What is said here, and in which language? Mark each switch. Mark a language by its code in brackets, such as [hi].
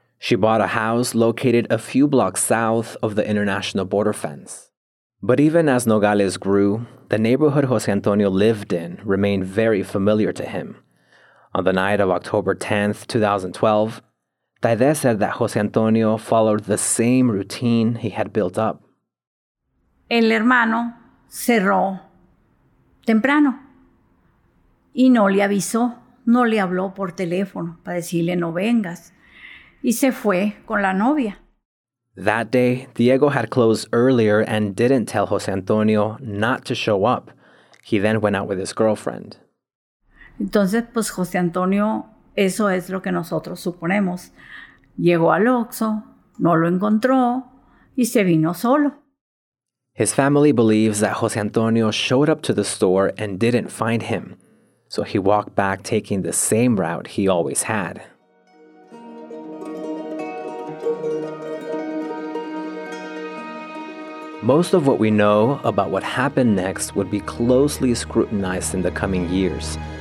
[en] She bought a house located a few blocks south of the international border fence. But even as Nogales grew, the neighborhood Jose Antonio lived in remained very familiar to him. On the night of October 10th, 2012, Taide said that Jose Antonio followed the same routine he had built up. [es] El hermano cerró temprano y no le avisó, no le habló por teléfono para decirle no vengas y se fue con la novia. [en] That day, Diego had closed earlier and didn't tell Jose Antonio not to show up. He then went out with his girlfriend. [es] Entonces, pues José Antonio, eso es lo que nosotros suponemos. Llegó al Oxxo, no lo encontró, y se vino solo. [en] His family believes that José Antonio showed up to the store and didn't find him. So he walked back taking the same route he always had. Most of what we know about what happened next would be closely scrutinized in the coming years.